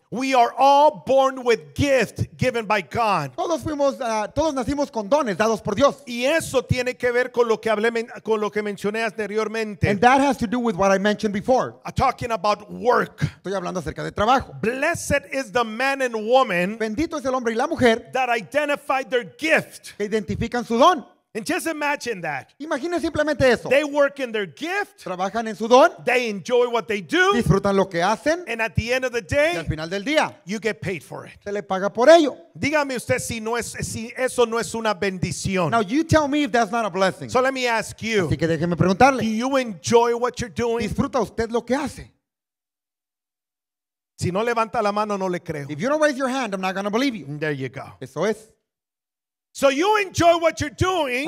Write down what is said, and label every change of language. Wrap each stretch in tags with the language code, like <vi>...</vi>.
<en>We are all born with gift given by God.</en> <es>Todos nacimos con dones dados por Dios. Y eso tiene que ver con lo que hablé con lo que mencioné anteriormente.</es> <en>And that has to do with what I mentioned before. Talking about work.</en> <es>Estoy hablando acerca de trabajo.</es> <en>Blessed is the man and woman.</en> <es>Bendito es el hombre y la mujer.</es> <en>That identify their gift.</en> <es>Que identifican su don.</es> <en>And just imagine that.</en> <es>Imagina simplemente eso.</es> <en>They work in their gift.</en> <es>Trabajan en su don.</es> <en>They enjoy what they do.</en> <es>Disfrutan lo que hacen.</es> <en>And at the end of the day,</en> <es>y al final del día,</es> <en>you get paid for it.</en> <es>Se le paga por ello. Dígame usted si eso no es una bendición.</es> <en>Now you tell me if that's not a blessing. So let me ask you.</en> <es>Así que déjeme preguntarle.</es> <en>Do you enjoy what you're doing?</en> <es>¿Disfruta usted lo que hace? Si no levanta la mano, no le creo.</es> <en>If you don't raise your hand, I'm not going to believe you. There you go.</en> <es>Eso es.</es> <en>So you enjoy what you're doing.</en>